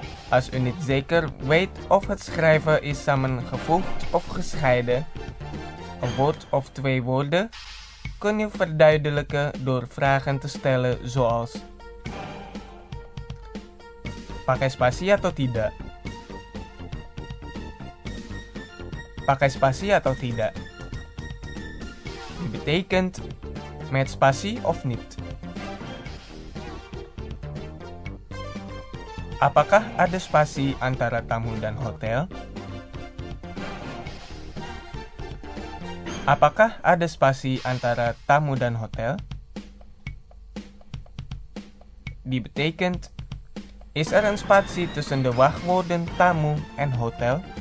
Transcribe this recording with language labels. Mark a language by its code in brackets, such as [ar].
[nl] Als u niet zeker weet of het schrijven is samengevoegd of gescheiden, een woord of twee woorden, kun je verduidelijken door vragen te stellen zoals: [id] Pakai spasi atau tidak? Pakai spasi atau tidak? [nl] Dit betekent met spasi of niet. [id] Apakah ada spasi antara tamu dan hotel? Apakah ada spasi antara tamu dan hotel? [nl] Dit betekent is er een spatie tussen de wachtwoorden tamu en hotel?